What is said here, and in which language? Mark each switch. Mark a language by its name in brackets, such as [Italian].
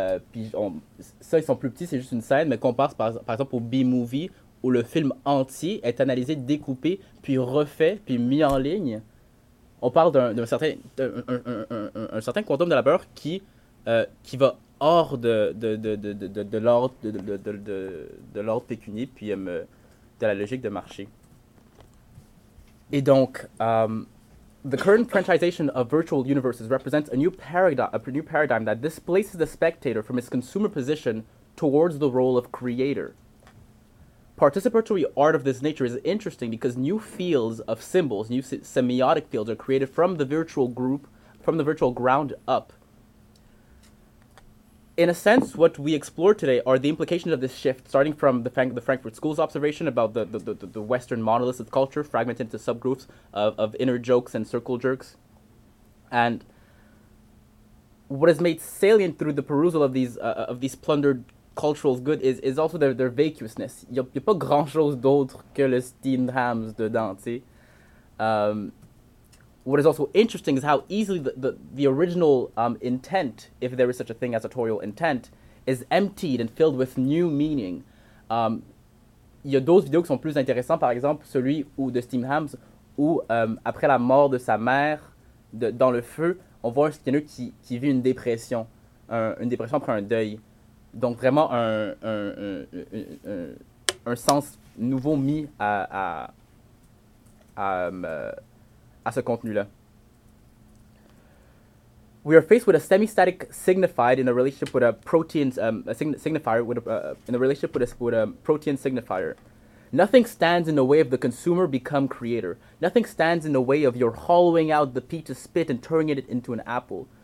[French] puis ça ils sont plus petits, c'est juste une scène, mais compare par exemple au B-movie où le film entier est analysé, découpé, puis refait, puis mis en ligne, on parle d'un certain quantum de labeur qui va hors de l'ordre pécunier, puis de la logique de marché. Et donc, [English] the current franchisation of virtual universes represents a new paradigm that displaces the spectator from its consumer position towards the role of creator. Participatory art of this nature is interesting because new fields of symbols, new semiotic fields, are created from the virtual group, from the virtual ground up. In a sense, what we explore today are the implications of this shift, starting from the Frankfurt School's observation about the Western monolith of culture, fragmented into subgroups of inner jokes and circle jerks. And what is made salient through the perusal of these plundered cultural goods is also their vacuousness. [French] Y a pas grand chose d'autre que le Steamed Hams dedans, tu sais. [English] What is also interesting is how easily the original intent, if there is such a thing as authorial intent, is emptied and filled with new meaning. [French] Il y a d'autres vidéos qui sont plus intéressantes, par exemple celui où de Steam Hams, où après la mort de sa mère dans le feu, on voit un skinner qui vit une dépression, une dépression après un deuil. Donc vraiment un sens nouveau mis à ce contenu-là. [English] We are faced with a semi-static signified in a relationship with a protein signifier with a protein signifier. Nothing stands in the way of the consumer become creator. Nothing stands in the way of your hollowing out the peach to spit and turning it into an apple.